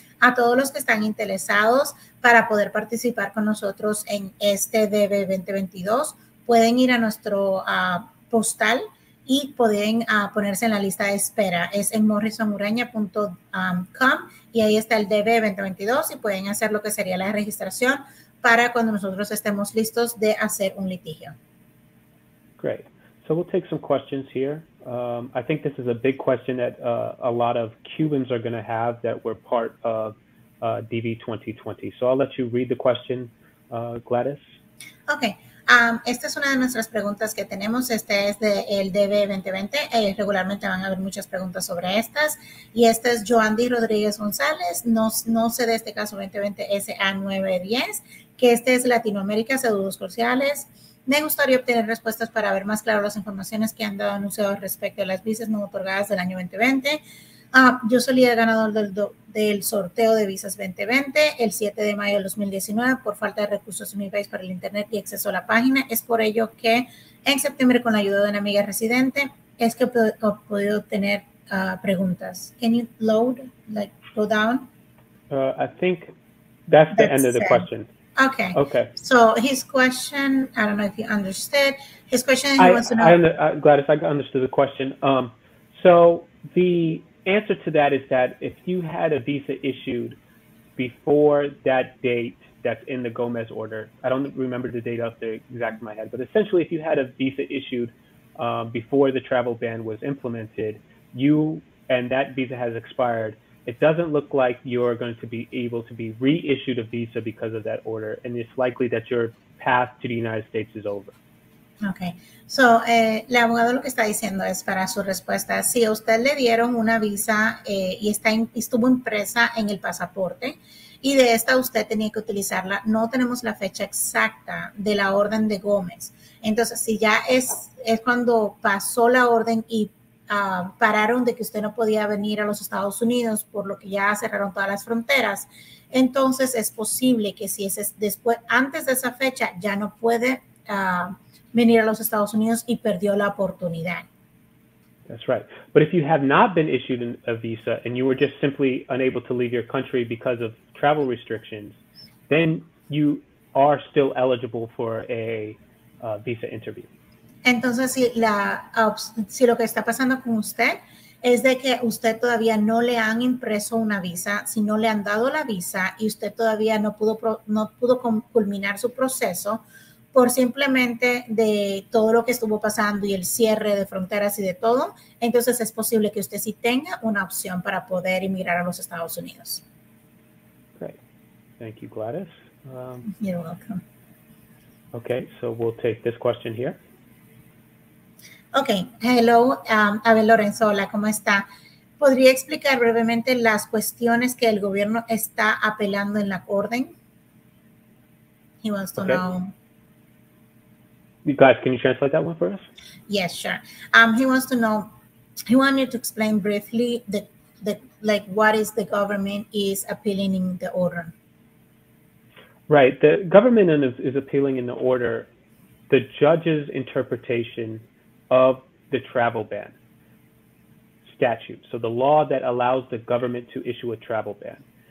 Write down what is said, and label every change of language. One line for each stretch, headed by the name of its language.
Spanish: A todos los que están interesados para poder participar con nosotros en este DV-2022, pueden ir a nuestro postal y pueden ponerse en la lista de espera. Es en morrisonuraña.com y ahí está el DV-2022 y pueden hacer lo que sería la registración para cuando nosotros estemos listos de hacer un litigio.
English: Great. So we'll take some questions here. I think this is a big question that a lot of Cubans are going to have that were part of DV-2020. So I'll let you read the question, Gladys. Okay.
Spanish: Esta es una de nuestras preguntas que tenemos. Este es del DV-2020. Regularmente van a haber muchas preguntas sobre estas. Y esta es Joandy Rodríguez González. No sé de este caso 2020-SA910, que este es Latinoamérica, saludos cruciales. Me gustaría obtener respuestas para ver más claro las informaciones que han dado anunciados respecto a las visas no otorgadas del año 2020. Yo soy el ganador del sorteo de visas 2020, el 7 de mayo de 2019, por falta de recursos en mi país para el internet y acceso a la página. Es por ello que en septiembre, con la ayuda de una amiga residente, es que he podido tener preguntas.
English: Can you load, go down? I think that's the end of the question. Okay. Okay. So his question, I don't know if you understood. His question, Gladys, I understood the question. So the answer to that is that if you had a visa issued before that date that's in the Gomez order, I don't remember the date off the exact of my head, but essentially if you had a visa issued before the travel ban was implemented, you and that visa has expired, It doesn't look like you're going to be able to be reissued a visa because of that order, and it's likely that your path to the United States is over. Okay, so
Spanish: el abogado lo que está diciendo es para su respuesta, si a usted le dieron una visa y estuvo impresa en el pasaporte y de esta usted tenía que utilizarla, no tenemos la fecha exacta de la orden de Gómez. Entonces, si ya es cuando pasó la orden y pararon de que usted no podía venir a los Estados Unidos por lo que ya cerraron todas las fronteras, entonces es posible que si es después, antes de esa fecha, ya no puede venir a los Estados Unidos y perdió la oportunidad.
English: That's right. But if you have not been issued a visa and you were just simply unable to leave your country because of travel restrictions, then you are still eligible for a visa interview.
Spanish: Entonces, si lo que está pasando con usted es de que usted todavía no le han impreso una visa, si no le han dado la visa y usted todavía no pudo culminar su proceso por simplemente de todo lo que estuvo pasando y el cierre de fronteras y de todo, entonces es posible que usted sí tenga una opción para poder emigrar a los Estados Unidos.
English: Thank you, Gladys. You're welcome. Okay, so we'll take this question here. Okay, hello,
Spanish: Abel Lorenzo, hola, ¿cómo está? ¿Podría explicar brevemente las cuestiones que el gobierno está apelando en la orden?
English: He wants to Okay. know. You guys, can you translate that one for us? Yes, sure. He wants to know. He wanted you to explain briefly the like what is the government is appealing in the order. Right, the government is appealing in the order the judge's interpretation of the travel ban statute, so the law that allows the government to issue a travel ban.